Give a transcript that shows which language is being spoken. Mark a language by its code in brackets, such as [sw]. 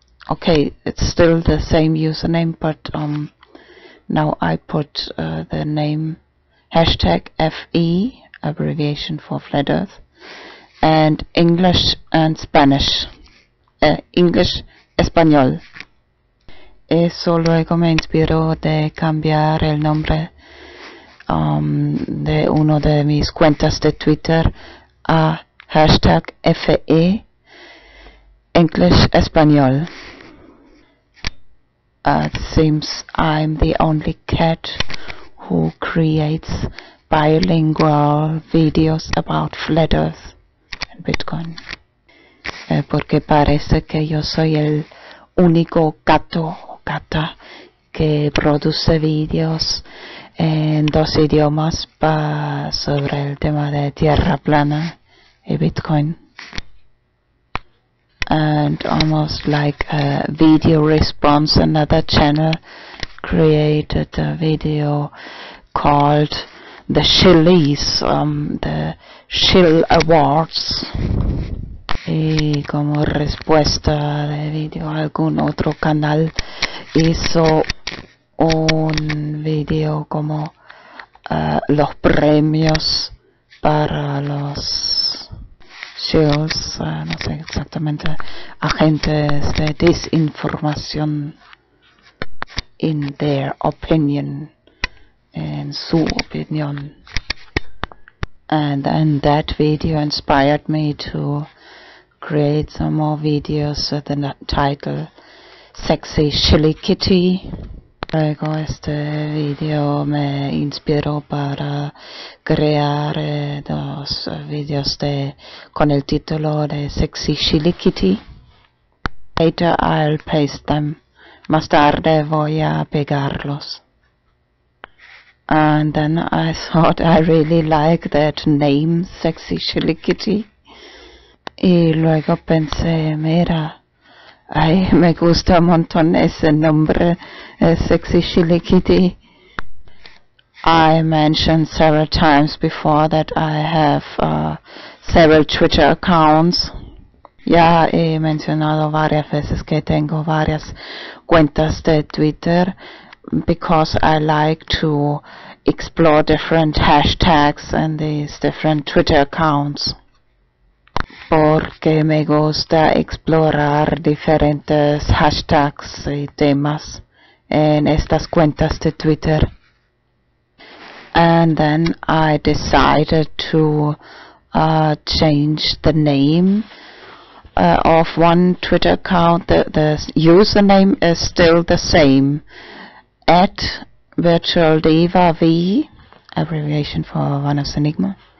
[en] Okay, it's still the same username, but now I put the name hashtag FE, abbreviation for Flat Earth, and English and Spanish. English Español. [es] Eso luego me inspiró de cambiar el nombre de uno de mis cuentas de Twitter a hashtag FE, English Español. [en] It seems I'm the only cat who creates bilingual videos about Flat Earth and Bitcoin. [es] Porque parece que yo soy el único gato o gata que produce videos en dos idiomas sobre el tema de Tierra Plana y Bitcoin. [en] And almost like a video response, another channel created a video called The Shillies, the Shill Awards. [es] Y como respuesta de video, algún otro canal hizo un video como los premios para los Shills, no sé exactamente, agentes de desinformación, [en] in their opinion, [es] en su opinión. [en] And then that video inspired me to create some more videos with the title Sexy Shilly Kitty. [es] Luego este video me inspiró para crear dos videos con el título de Sexy Shilly Kitty. [en] Later I'll paste them. [es] Más tarde voy a pegarlos. [en] And then I thought I really like that name, Sexy Shilly Kitty. [es] Y luego pensé, mira, ay, me gusta un montón ese nombre, Sexy Shilly Kitty. [en] I mentioned several times before that I have several Twitter accounts. [es] Ya he mencionado varias veces que tengo varias cuentas de Twitter [en] because I like to explore different hashtags and these different Twitter accounts. [es] Porque me gusta explorar diferentes hashtags y temas en estas cuentas de Twitter. [en] And then I decided to change the name of one Twitter account. The username is still the same. At Virtual Diva V, abbreviation for VanosEnigmA.